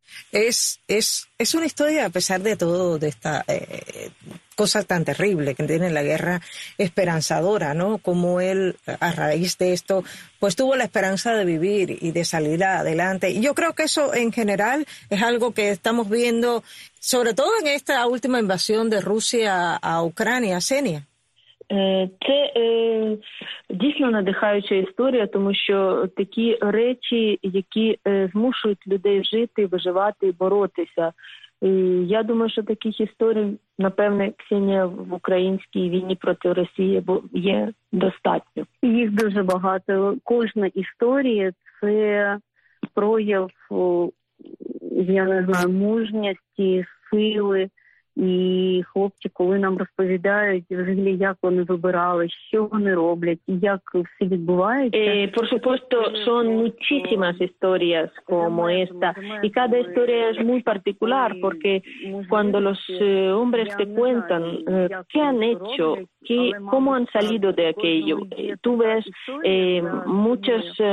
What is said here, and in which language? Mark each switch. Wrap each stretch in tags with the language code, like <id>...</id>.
<es>Es una historia, a pesar de todo, de esta cosa tan terrible que tiene la guerra, esperanzadora, ¿no? Como él, a raíz de esto, pues tuvo la esperanza de vivir y de salir adelante. Y yo creo que eso, en general, es algo que estamos viendo, sobre todo en esta última invasión de Rusia a Ucrania, Xenia.</es> <uk>Це дійсно надихаюча історія, тому що такі речі, які змушують людей жити, виживати і боротися. Я думаю, що таких історій, напевне, Ксенія, в українській війні проти Росії є достатньо. Їх дуже багато. Кожна історія – це прояв, я не знаю, мужності, сили. І хлопці, коли нам розповідають, взагалі, як вони вибирали, що вони роблять, і як все відбувається.</uk> <es>Por supuesto, son muchísimas historias como esta. Y cada historia es muy particular, porque cuando los hombres te cuentan qué han hecho, cómo han salido de aquello, tú ves muchas...</es>